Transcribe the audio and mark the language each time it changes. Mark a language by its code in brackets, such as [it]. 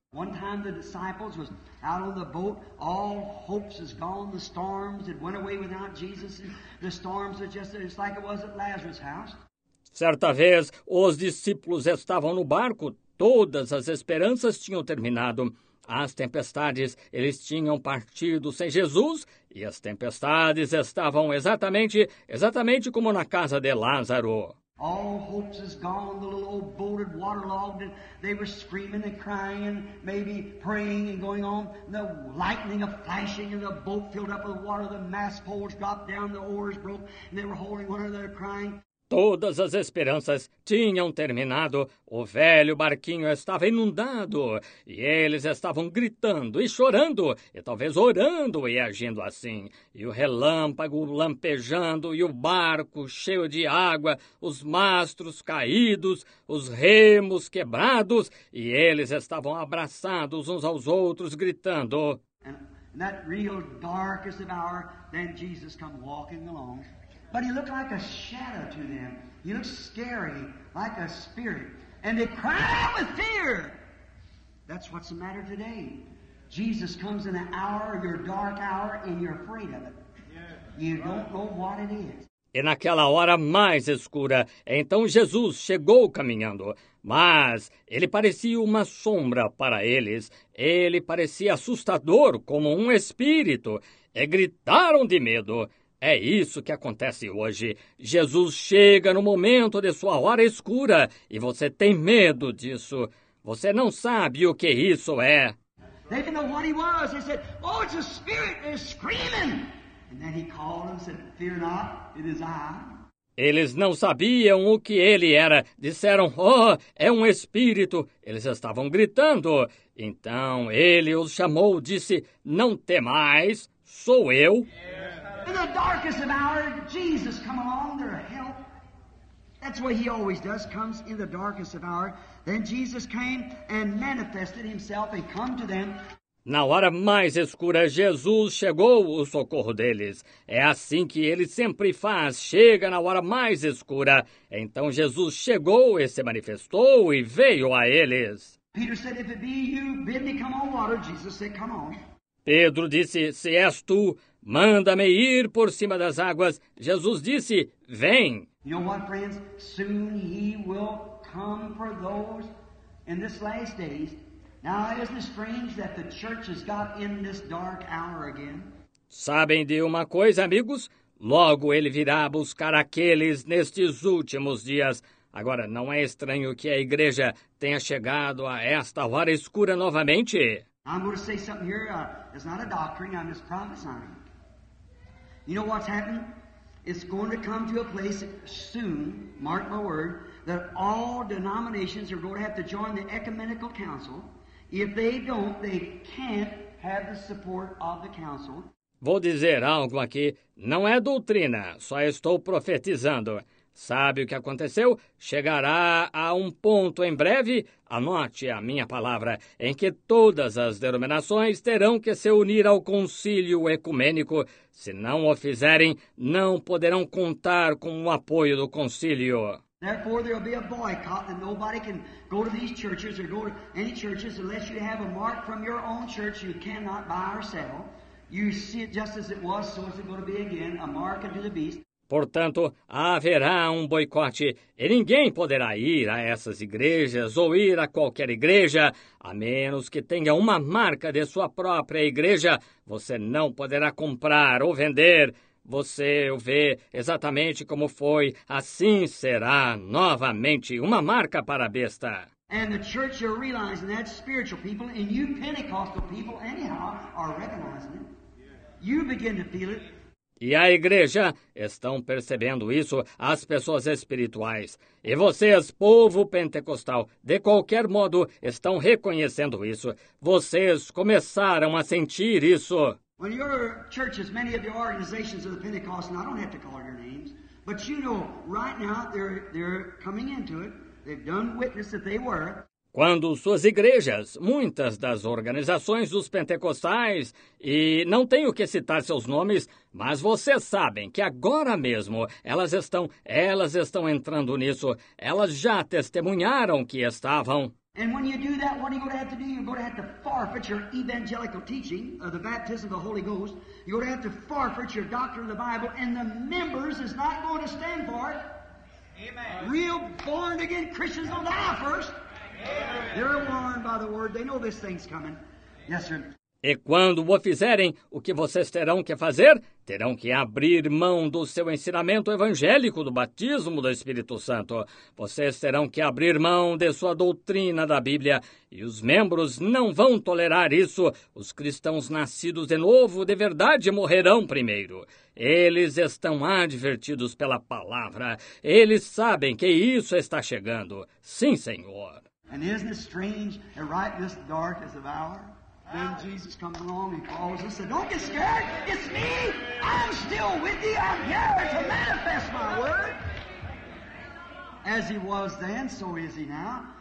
[en] One time the disciples was out on the boat, all hopes is gone, the storms had went away without Jesus, and the storms are just like it was at Lazarus' house. [pt] Certa vez, os discípulos estavam no barco, todas as esperanças tinham terminado. As tempestades, eles tinham partido sem Jesus, e as tempestades estavam exatamente como na casa de Lázaro. [en] All hopes is gone, the little old boat had waterlogged, and they were screaming and crying, maybe praying and going on, the lightning of flashing, and the boat filled up with water, the mast poles dropped down, the oars broke, and they were holding one another crying. [pt] Todas as esperanças tinham terminado. O velho barquinho estava inundado. E eles estavam gritando e chorando, e talvez orando e agindo assim. E o relâmpago lampejando, e o barco cheio de água, os mastros caídos, os remos quebrados, e eles estavam abraçados uns aos outros, gritando. [en] In that real darkest of hour, then Jesus come walking along. But he looked like a shadow to them. He looked scary, like a spirit. And they cried out with fear. That's what's the matter today. Jesus comes in an hour, your dark hour, and you're afraid of it. You don't know what it is. [pt] E naquela hora mais escura, então Jesus chegou caminhando. Mas ele parecia uma sombra para eles. Ele parecia assustador como um espírito. E gritaram de medo. É isso que acontece hoje. Jesus chega no momento de sua hora escura e você tem medo disso. Você não sabe o que isso é. [en] They didn't know what he was. They said, oh, it's a spirit, and it's screaming. And then he called and said, fear not, it is I. [pt] Eles não sabiam o que ele era. Disseram, oh, é um espírito. Eles estavam gritando. Então ele os chamou, disse, não temais, sou eu. [en] In the darkest of hour, Jesus come along to help. That's what he always does, comes in the darkest of hour. Then Jesus came and manifested himself and come to them. [pt] Na hora mais escura, Jesus chegou o socorro deles. É assim que ele sempre faz, chega na hora mais escura. Então Jesus chegou e se manifestou e veio a eles. [en] Peter said, if it be you, bid me come on water. Jesus said, come on. [pt] Pedro disse, se és tu, manda-me ir por cima das águas. Jesus disse, vem. [en] You know what, friends? Soon he will come for those in this last days. Now, isn't it strange that the church has got in this dark hour again? [pt] Sabem de uma coisa, amigos? Logo ele virá buscar aqueles nestes últimos dias. Agora, não é estranho que a igreja tenha chegado a esta hora escura novamente? [en] I'm going to say something here. It's not a doctrine. I'm just prophesying. You know what's happened? It's going to come to a place soon, mark my word, that all denominations are going to have to join the ecumenical council. If they don't, they can't have the support of the council. [pt] Vou dizer algo aqui. Não é doutrina. Só estou profetizando. Sabe o que aconteceu? Chegará a um ponto em breve, anote a minha palavra, em que todas as denominações terão que se unir ao concílio ecumênico. Se não o fizerem, não poderão contar com o apoio do concílio. [en] Therefore, there will be a boycott and nobody can go to these churches or go to any churches unless you have a mark from your own church you cannot buy or sell. You see it just as it was, so is it going to be again, a mark unto the beast. [pt] Portanto, haverá um boicote e ninguém poderá ir a essas igrejas ou ir a qualquer igreja, a menos que tenha uma marca de sua própria igreja. Você não poderá comprar ou vender, Você o vê exatamente como foi, assim será novamente uma marca para a besta. [en] And the church are realizing that spiritual people and you Pentecostal people anyhow are recognizing it. You begin to feel it. [pt] E a igreja estão percebendo isso, as pessoas espirituais. E vocês, povo pentecostal, de qualquer modo, estão reconhecendo isso. Vocês começaram a sentir isso. [en] When your church has many of the organizations of the Pentecost, and I don't have to call your names, but you know, right now they're coming into it. They've done witness that they were. [pt] Quando suas igrejas, muitas das organizações dos pentecostais, e não tenho que citar seus nomes, mas vocês sabem que agora mesmo elas estão entrando nisso. Elas já testemunharam que estavam. [en] And when you do that, what are you going to have to do? You're going to have to forfeit your evangelical teaching of the baptism of the Holy Ghost. You're going to have to forfeit your doctrine of the Bible, and the members is not going to stand for it. Amen. Real born again Christians will die first. They're warned by the word. They know this thing's coming. Yes, sir. [pt] E quando o fizerem, o que vocês terão que fazer? Terão que abrir mão do seu ensinamento evangélico do batismo do Espírito Santo. Vocês terão que abrir mão de sua doutrina da Bíblia. E os membros não vão tolerar isso. Os cristãos nascidos de novo, de verdade, morrerão primeiro. Eles estão advertidos pela palavra. Eles sabem que isso está chegando. Sim, Senhor. [en] And isn't it strange that right in this darkest of hour, then Jesus comes along and calls us and don't get scared, it's me, I'm still with you, I'm here to manifest my word. As he was then, so is he now.